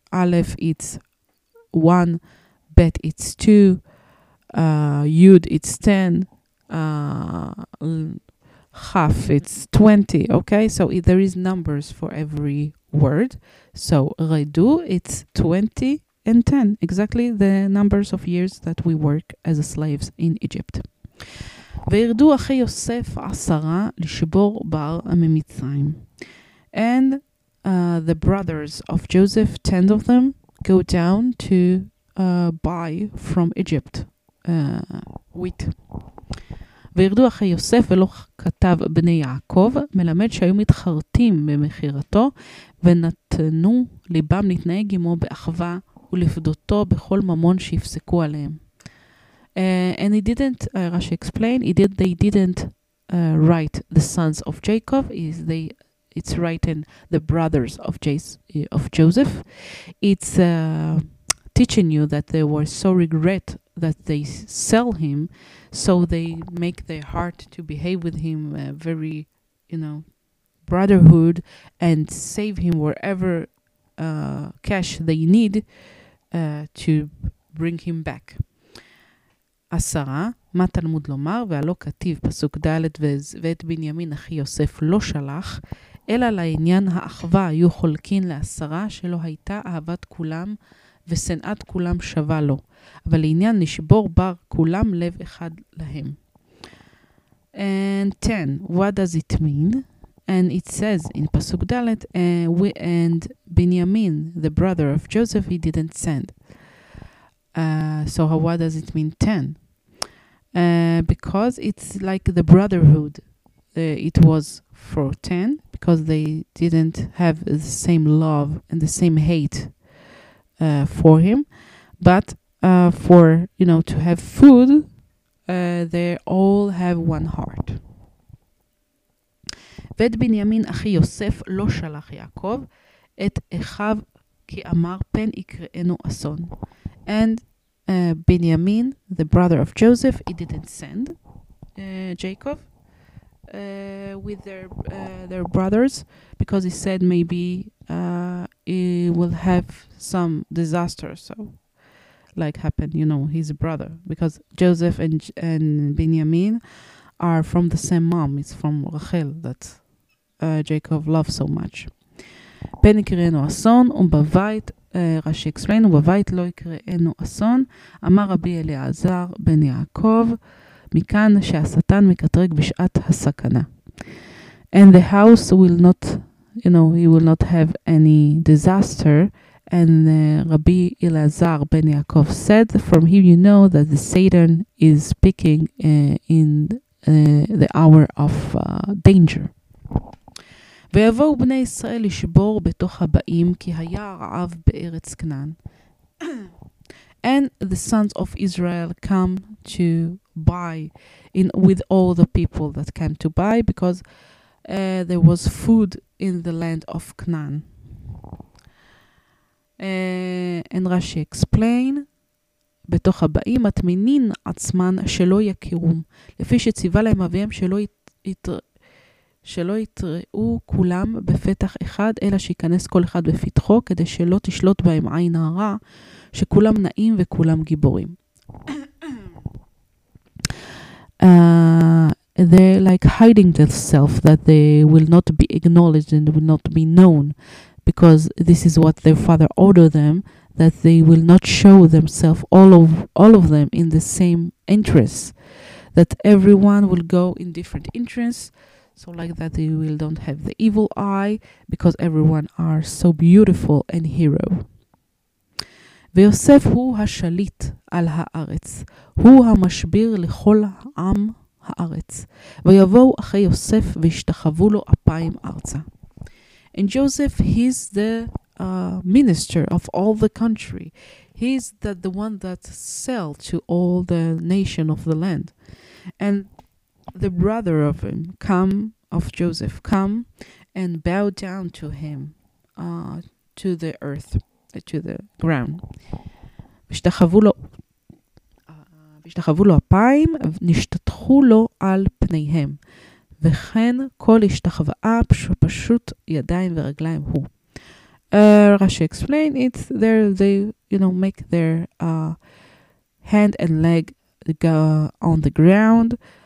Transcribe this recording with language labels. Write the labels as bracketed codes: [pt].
[en] Aleph, it's 1, bet, it's 2, yud, it's 10, chaf, it's 20, okay? So there is numbers for every word. So redu, it's 20. And 10, exactly the numbers of years that we work as slaves in Egypt. [he] וירדו אחרי יוסף 10 לשבור בר ממצרים. [en] And the brothers of Joseph, 10 of them, go down to buy from Egypt wheat. [he] וירדו אחרי יוסף ולא כתב בני יעקב, מלמד שהיו מתחרטים במחירתו, ונתנו ליבם להתנהג עמו באחווה, ולפדותו בכל ממון שיפסקו עליהם. [en] And he didn't, Rashi explained, they didn't write the sons of Jacob, it's written the brothers of Joseph. It's teaching you that they were so regret that they sell him, so they make their heart to behave with him very, you know, brotherhood, and save him wherever cash they need, to bring him back. [he] עשרה, מה תלמוד לומר, והלא כתיב פסוק ד' ואת בנימין אחי יוסף לא שלח, אלא לעניין האחווה היו חולקין לעשרה, שלא הייתה אהבת כולם ושנאת כולם שווה לו, אבל לעניין נשבור בר כולם לב אחד להם. [en] And 10, what does it mean? And it says in Pasuk Dalet, and Binyamin, the brother of Joseph, he didn't send. What does it mean, 10? Because it's like the brotherhood. It was for 10, because they didn't have the same love and the same hate for him. But for, you know, to have food, they all have one heart. [he] ואת בנימין אחי יוסף לא שלח יעקב את אחיו כי אמר פן יקראנו אסון. [en] And בנימין, the brother of Joseph, he didn't send Jacob with their brothers, because he said maybe he will have some disaster, so like happened, you know, his brother, because Joseph and Benjamin are from the same mom, it's from Rachel that Jacob loved so much. [he] פן יקראנו אסון, ובבית, רשי [en] אקספלין, [he] ובבית לא יקראנו אסון, אמר רבי אליעזר בן יעקב, מכאן שהשטן מקטרג בשעת הסכנה. [en] And the house will not, you know, he will not have any disaster. And Rabbi Elazar ben Yaakov said, from him you know that the Satan is speaking in the hour of danger. [he] ויבואו בני ישראל לשבור בתוך הבאים, כי היה רעב בארץ כנען. [en] And the sons of Israel come to buy in with all the people that came to buy, because there was food in the land of Canaan. And Rashi explain, [he] בתוך הבאים מטמינים עצמן שלא יכירום, לפי שציווה להם אביהם שלא יתראו כולם בפתח אחד, אלא שיכנס כל אחד בפתחו, כדי שלא תשלוט בהם עין הרע, שכולם נעים וכולם גיבורים. [en] They're like hiding themselves, that they will not be acknowledged and will not be known, because this is what their father ordered them, that they will not show themselves, all of them, in the same entrance, that everyone will go in different entrance, so like that they will don't have the evil eye, because everyone are so beautiful and hero. [he] ויוסף הוא השליט על הארץ, הוא המשביר לכל עם הארץ, ויבואו אחרי יוסף וישתחוו לו אפיים ארצה. [en] And Joseph, he's the minister of all the country. He's the one that sell to all the nation of the land. And the brother of him come, of Joseph, come and bow down to him, to the earth, to the ground. [he] וישתחוו לו אפיים, נשתטחו לו על פניהם. וכן כל השתחוואה פשוט ידיים ורגליים הוא. [en] Rashi explain it, there they, you know, make their hand and leg go on the ground.